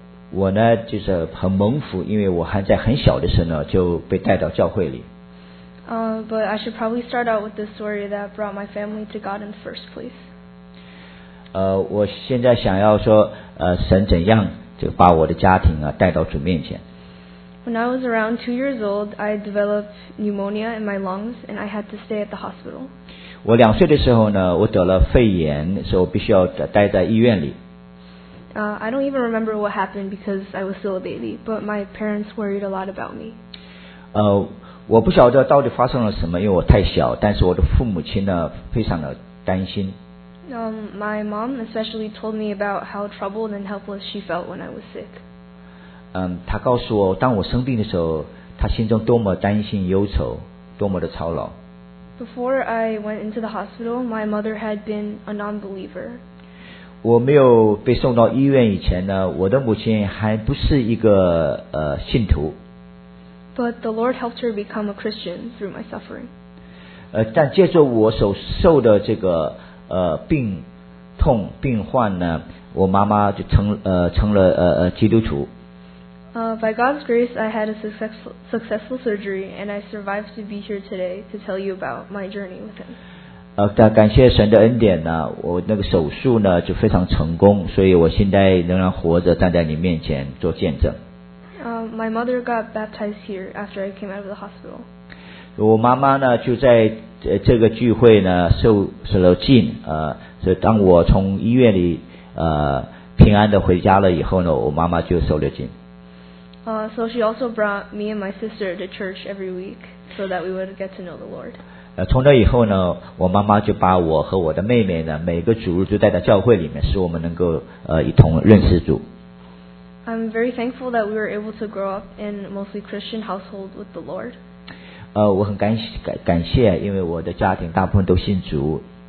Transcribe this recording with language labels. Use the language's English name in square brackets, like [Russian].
[Chinese] 我呢就是很蒙福，因为我还在很小的时候呢就被带到教会里。 [English] But I should probably start out with the story that brought my family to God in the first place. [Chinese] 我现在想要说，神怎样就把我的家庭啊带到主面前。 [English] When I was around 2 years old, I developed pneumonia in my lungs, and I had to stay at the hospital. [Chinese] 我两岁的时候呢，我得了肺炎，所以我必须要待在医院里。 [English] I don't even remember what happened because I was still a baby, but my parents worried a lot about me. [Chinese] 我不晓得到底发生了什么，因为我太小，但是我的父母亲呢，非常的担心。 [English] My mom especially told me about how troubled and helpless she felt when I was sick. [Chinese] 他告诉我，当我生病的时候，他心中多么担心、忧愁，多么的操劳。 [English] Before I went into the hospital, my mother had been a non-believer. [Chinese] 我没有被送到医院以前呢，我的母亲还不是一个信徒。 [English] But the Lord helped her become a Christian through my suffering. [Chinese] 但借助我所受的这个病痛病患呢，我妈妈就成了基督徒。 [English] By God's grace, I had a successful surgery, and I survived to be here today to tell you about my journey with Him. [Chinese] 但感谢神的恩典呢，我那个手术呢就非常成功，所以我现在仍然活着站在你面前做见证。 [English] My mother got baptized here after I came out of the hospital. [Chinese] 我妈妈呢就在这个聚会呢受了浸，所以当我从医院里平安的回家了以后呢，我妈妈就受了浸。 [English] So she also brought me and my sister to church every week so that we would get to know the Lord. [Chinese] 从那以后呢，我妈妈就把我和我的妹妹呢每个主日就带到教会里面，使我们能够一同认识主。 [English] I'm very thankful that we were able to grow up in a mostly Christian household with the Lord. [Chinese] 我很感谢，因为我的家庭大部分都信主。